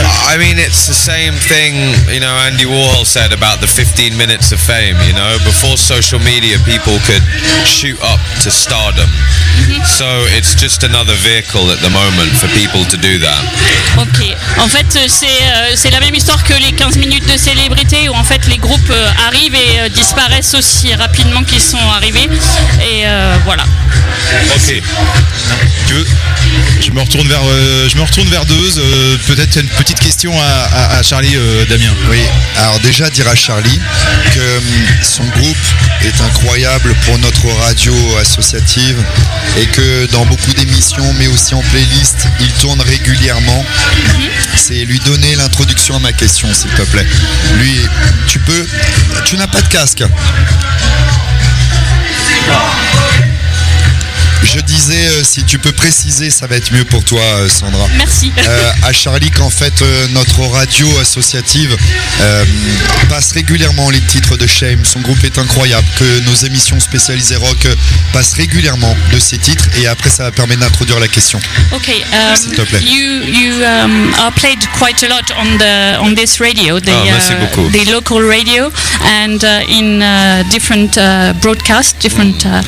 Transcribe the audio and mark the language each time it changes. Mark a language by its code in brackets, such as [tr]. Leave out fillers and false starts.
[en] I mean, it's the same thing, you know, Andy Warhol said about the 15 minutes of fame, you know, before social media people could shoot up to stardom. Mm-hmm. So it's just another vehicle at the moment for people to do that. [fr] Ok, en fait c'est la même histoire que les 15 minutes de célébrité où en fait les groupes arrivent et disparaissent aussi rapidement qu'ils sont arrivés et voilà. Ok, tu veux? Je me retourne vers Deuze, peut-être une petite question à Charlie, Damien. Oui, alors déjà dire à Charlie que son groupe est incroyable pour notre radio associative et que dans beaucoup d'émissions mais aussi en playlist, il tourne régulièrement. C'est lui donner l'introduction à ma question s'il te plaît. Lui, tu n'as pas de casque. Je disais, si tu peux préciser, ça va être mieux pour toi, Sandra. Merci. À Charlie, qu'en fait, notre radio associative passe régulièrement les titres de Shame. Son groupe est incroyable. Que nos émissions spécialisées rock passent régulièrement de ces titres. Et après, ça permet d'introduire la question. Ok. S'il te plaît. [en] You are played quite a lot on this radio. The local radio and in different broadcasts, different.